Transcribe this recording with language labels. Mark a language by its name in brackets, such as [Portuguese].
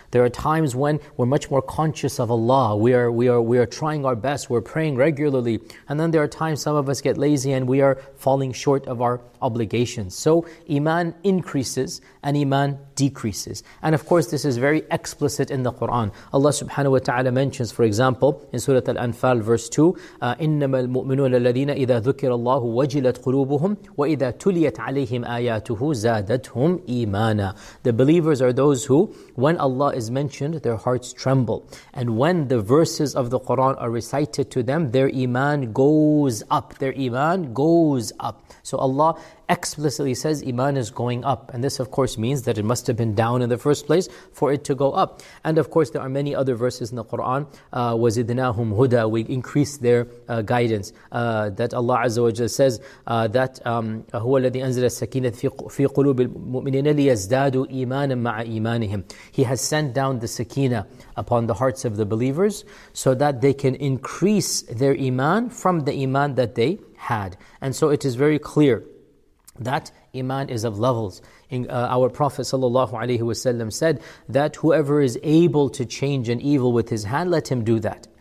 [English] There are times when we're much more conscious of Allah. We are trying our best. We're praying regularly. And then there are times some of us get lazy and we are falling short of our obligations. So iman increases and iman decreases. And of course, this is very explicit in the Quran. Allah subhanahu wa ta'ala mentions, for example, in Surah Al-Anfal, verse 2, [Arabic] إِنَّمَا الْمُؤْمِنُونَ الَّذِينَ إِذَا ذُكِرَ اللَّهُ وَجِلَتْ قُلُوبُهُمْ وَإِذَا تُلِيَتْ عَلَيْهِمْ آيَاتُهُ زَادَتْهُمْ إِيمَانًا. [English] The believers are those who, when Allah is mentioned, their hearts tremble. And when the verses of the Quran are recited to them, their iman goes up. Their iman goes up. So Allah explicitly says iman is going up. And this of course means that it must have been down in the first place for it to go up. And of course there are many other verses in the Quran. [Arabic] وَزِدْنَاهُمْ huda, [English] we increase their guidance. That Allah Azza wa Jalla says that [Arabic] هُوَ الَّذِي أَنزَلَ السَّكِينَةَ فِي قُلُوبِ الْمُؤْمِنِينَ لِيَزْدَادُوا إِيمَانًا مَعَ إِيمَانِهِمْ. [English] He has sent down the Sakina upon the hearts of the believers so that they can increase their iman from the iman that they had. And so it is very clear that iman is of levels. Our Prophet sallallahu alaihi wasallam said that whoever is able to change an evil with his hand, let him do that.